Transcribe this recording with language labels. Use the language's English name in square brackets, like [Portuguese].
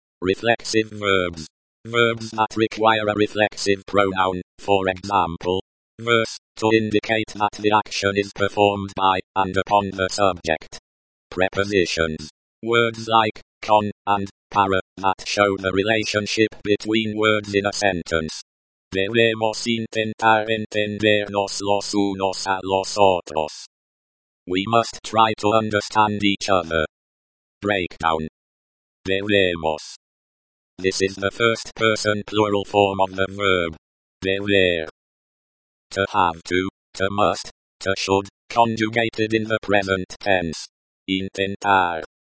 [English] Reflexive verbs. Verbs that require a reflexive pronoun, for example, verse, to indicate that the action is performed by, and upon the subject. Prepositions. Words like, con, and, para, that show the relationship between words in a sentence. [Spanish] Debemos intentar entendernos los unos a los otros. [English] We must try to understand each other. Breakdown. Debemos. This is the first person plural form of the verb. Deber. To have to must, to should, conjugated in the present tense. Intentar.